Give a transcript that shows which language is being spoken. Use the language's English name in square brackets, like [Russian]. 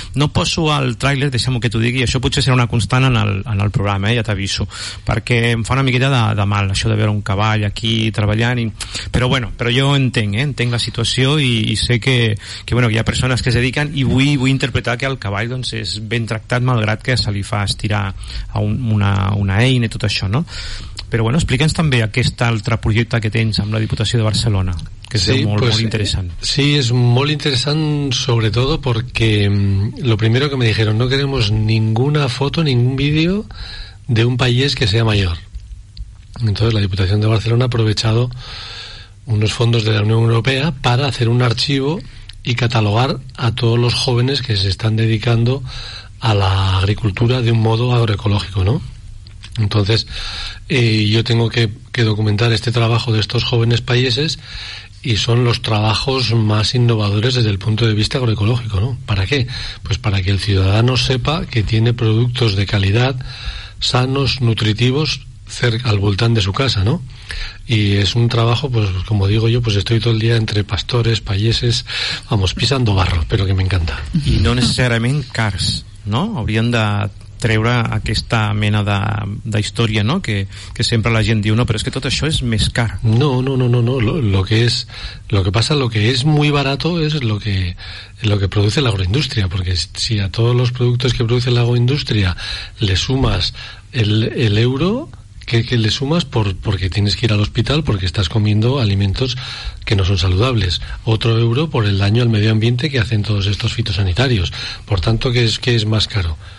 [Catalan] No poso el tràiler, deixem-ho que t'ho digui, això potser serà una constant en el programa, ja t'aviso, perquè em fa una miqueta de mal això de veure un cavall aquí treballant però jo entenc, entenc la situació i sé que bueno, que hi ha persones que es dediquen i vull interpretar que el cavall doncs és ben tractat malgrat que se li fa estirar a una eina i tot això, no? Però bueno, explica'ns també aquest altre projecte que tens amb la Diputació de Barcelona. [Spanish] que sí, sea pues, muy interesante. Sí, es muy interesante, sobre todo porque lo primero que me dijeron, no queremos ninguna foto, ningún vídeo de un país que sea mayor. Entonces la Diputación de Barcelona ha aprovechado unos fondos de la Unión Europea para hacer un archivo y catalogar a todos los jóvenes que se están dedicando a la agricultura de un modo agroecológico, ¿no? Entonces, yo tengo que documentar este trabajo de estos jóvenes payeses, y son los trabajos más innovadores desde el punto de vista agroecológico, ¿no? ¿Para qué? Pues para que el ciudadano sepa que tiene productos de calidad, sanos, nutritivos, cerca, [Catalan] al voltán [Spanish] de su casa, ¿no? Y es un trabajo, pues como digo yo, pues estoy todo el día entre pastores, payeses, vamos, pisando barro, pero que me encanta. Y no necesariamente cars, ¿no? [Catalan] Habrían de treure aquesta mena de història, no? Que sempre la gent diu, no, però és que tot això és més car. No, no, no, no, no. [Spanish] Lo que es, lo que pasa, lo que es muy barato es lo que produce la agroindustria, porque si a todos los productos que produce la agroindustria le sumas el euro que le sumas porque tienes que ir al hospital porque estás comiendo alimentos que no son saludables, otro euro por el daño al medio ambiente que hacen todos estos fitosanitarios, por tanto que es más caro.